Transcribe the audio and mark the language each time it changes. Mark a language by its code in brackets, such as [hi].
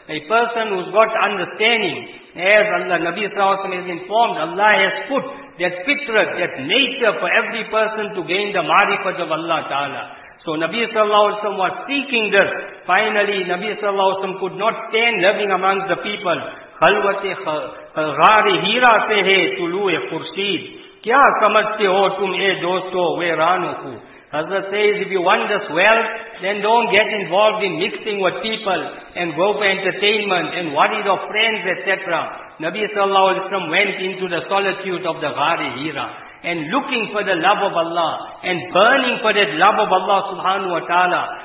[en] A person who's got understanding, as Allah, Nabi sallallahu alaihi wasallam has informed, Allah has put that fitrat, that nature for every person to gain the marifat of Allah Ta'ala. So Nabi sallallahu alaihi wasallam was seeking this. Finally, Nabi sallallahu alaihi wasallam could not stand living amongst the people. [ur] خلوت غار ہیرا سے ہے طلوع خورشید، کیا سمجھتے ہو تم اے دوستو ویرانوں کو. [en] Hazrat says, if you want this wealth, then don't get involved in mixing with people and go for entertainment and worry your friends, etc. Nabi sallallahu alayhi wa sallam went into the solitude of the Ghari Hira and looking for the love of Allah and burning for that love of Allah subhanahu wa ta'ala.